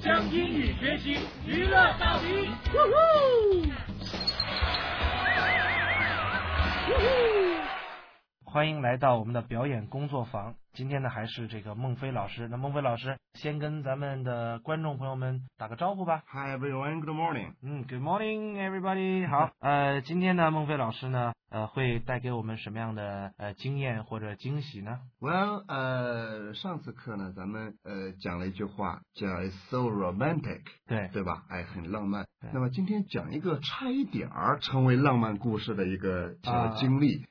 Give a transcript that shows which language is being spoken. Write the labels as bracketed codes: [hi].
[zh] 将英语学习娱乐到底。呜呼，欢迎来到我们的表演工作坊。今天呢还是这个孟非老师。那孟非老师先跟咱们的观众朋友们打个招呼吧。 [en] Hi everyone, good morning. Good morning everybody. [zh] 好，今天呢孟非老师呢会带给我们什么样的经验或者惊喜呢？ Well, 上次课呢咱们讲了一句话叫 [en] so romantic, [zh] 对对吧，哎，很浪漫。那么今天讲一个差一点儿成为浪漫故事的一个经历。